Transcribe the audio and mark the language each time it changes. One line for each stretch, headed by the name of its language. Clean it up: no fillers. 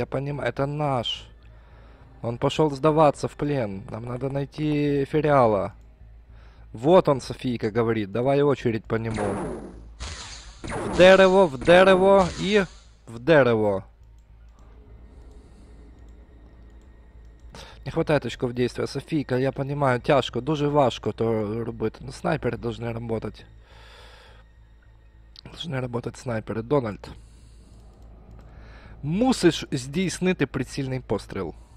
Russian: Я понимаю, это наш. Он пошел сдаваться в плен. Нам надо найти Фериала. Вот он, Софийка говорит. Давай очередь по нему. В дерево и в дерево. Не хватает очков действия.
Ukrainian: Софійка,
Russian: я понимаю,
Ukrainian: тяжко, дуже важко то робити.
Russian: Ну, снайпери должны работать. Должны работать снайперы. Дональд.
Ukrainian: Мусиш здійснити прицільний постріл.